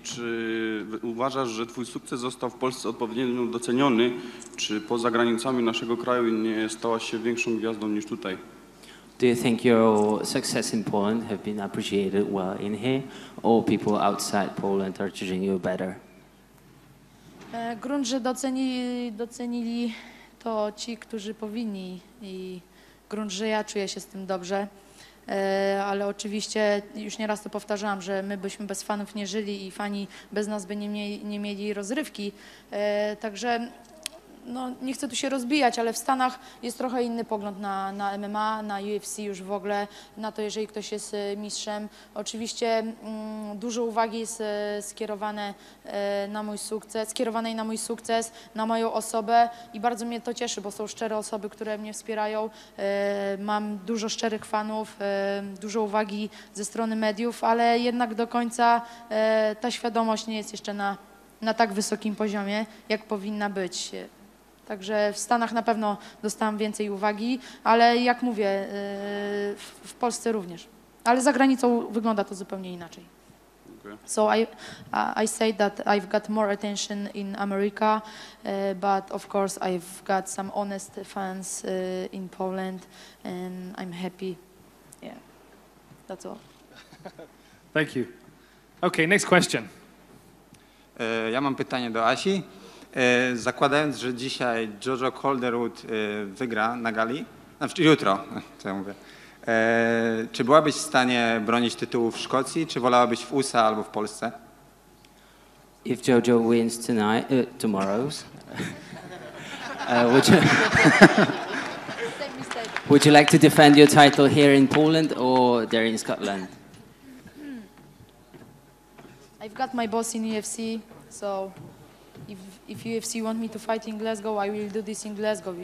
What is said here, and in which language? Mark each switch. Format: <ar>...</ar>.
<pl>Czy uważasz, że twój sukces został w Polsce odpowiednio doceniony? Czy poza granicami naszego kraju nie stałaś się większą gwiazdą niż tutaj?</pl> <en>Do you think your success in Poland have been appreciated well in here, or people outside Poland are treating you better?</en> <pl>Grunt, że docenili to ci, którzy powinni, i grunt, że ja czuję się z tym dobrze. Ale oczywiście już nieraz to powtarzałam, że my byśmy bez fanów nie żyli i fani bez nas by nie mieli rozrywki. Także no, nie chcę tu się rozbijać, ale w Stanach jest trochę inny pogląd na MMA, na UFC już w ogóle, na to, jeżeli ktoś jest mistrzem. Oczywiście dużo uwagi jest skierowane na mój sukces, skierowanej na mój sukces, na moją osobę i bardzo mnie to cieszy, bo są szczere osoby, które mnie wspierają. Mam dużo szczerych fanów, dużo uwagi ze strony mediów, ale jednak do końca ta świadomość nie jest jeszcze na tak wysokim poziomie, jak powinna być. Także w Stanach na pewno dostałam więcej uwagi, ale jak mówię, w Polsce również. Ale za granicą wygląda to zupełnie inaczej.</pl> <en>Okay. So I say that I've got more attention in America, but of course I've got some honest fans in Poland and I'm happy. Yeah, that's all. Thank you. Okay, next question.</en> <pl>Ja mam pytanie do Asi. Zakładając, że dzisiaj Jojo Calderwood wygra na gali, znaczy jutro, co ja mówię, czy byłabyś w stanie bronić tytułu w Szkocji, czy wolałabyś w USA albo w Polsce?</pl> <en>If Jojo wins tonight, tomorrow's, would you like to defend your title here in Poland or there in Scotland? I've got my boss in UFC, so... If UFC want me to fight in Glasgow, I will do this in Glasgow.</en>